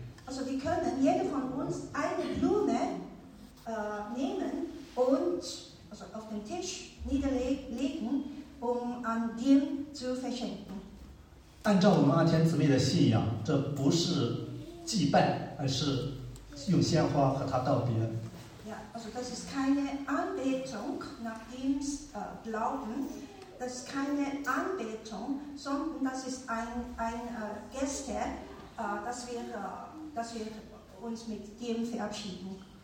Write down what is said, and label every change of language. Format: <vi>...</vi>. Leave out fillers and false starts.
<de>Also, die können jeder von uns eine Blume nehmen und also auf den Tisch niederlegen. An dem zu verschenken.</de> <zh>按照我们阿田姊妹的信仰，这不是祭拜，而是用鲜花和他道别。</zh> <de>Yeah, also das ist keine Anbetung nach dem Glauben, das ist keine Anbetung, sondern das ist ein Geste, dass wir uns mit dem verabschieden.</de>